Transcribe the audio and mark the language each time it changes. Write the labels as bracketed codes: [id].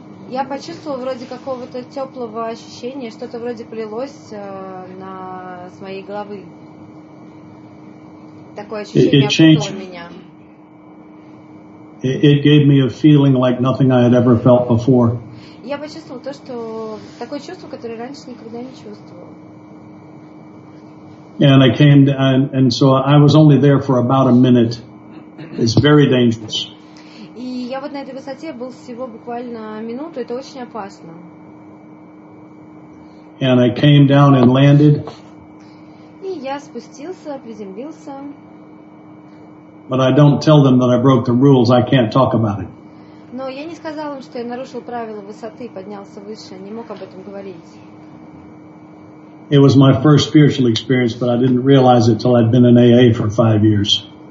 [ru] Я почувствовал вроде какого-то теплого ощущения, что-то вроде полилось на с моей головы. Такое ощущение окутало меня. [en] It gave me a feeling like nothing I had ever felt before. [ru] Я почувствовал то, что такое чувство, которое раньше никогда не чувствовал. [en] And I came, and so I was only there for about a minute. It's very dangerous. [ru] И я вот на этой высоте был всего буквально минуту. Это очень опасно. [en] And I came down and landed. [ru] И я спустился, приземлился. [en] But I don't tell them that I broke the rules. I can't talk about it. [ru] Но я не сказал им, что я нарушил правила высоты, поднялся выше. Не мог об этом говорить. [en] It was my first spiritual experience, but I didn't realize it till I'd been in AA for 5 years.